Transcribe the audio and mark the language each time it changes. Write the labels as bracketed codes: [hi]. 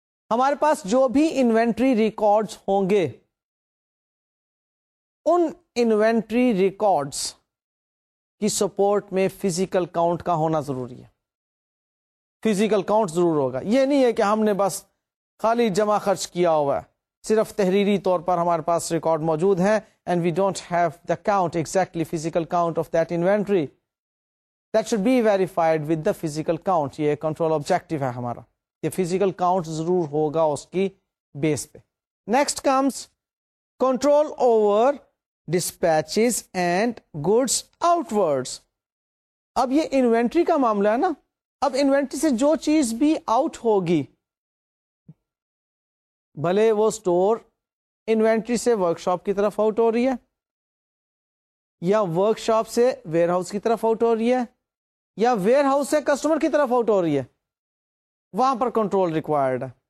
[ur] ہمارے پاس جو بھی انوینٹری ریکارڈز ہوں گے ان انوینٹری ریکارڈز کی سپورٹ میں فزیکل کاؤنٹ کا ہونا ضروری ہے. فزیکل کاؤنٹ ضرور ہوگا, یہ نہیں ہے کہ ہم نے بس خالی جمع خرچ کیا ہوا ہے, صرف تحریری طور پر ہمارے پاس ریکارڈ موجود ہیں [en] And we don't have the count exactly physical count of that inventory. That should be verified with the physical count. [ur] یہ کنٹرول آبجیکٹیو ہے ہمارا کہ فزیکل کاؤنٹ ضرور ہوگا اس کی بیس پہ. [en] Next comes control over dispatches and goods out words. [ur] اب یہ انوینٹری کا معاملہ ہے نا, اب انوینٹری سے جو چیز بھی آؤٹ ہوگی بھلے وہ اسٹور انوینٹری سے ورک شاپ کی طرف آؤٹ ہو رہی ہے یا ورک شاپ سے ویئر ہاؤس کی طرف آؤٹ ہو رہی ہے یا ویئر ہاؤس سے کسٹمر کی طرف آؤٹ ہو رہی ہے, وہاں پر کنٹرول ریکوائرڈ ہے.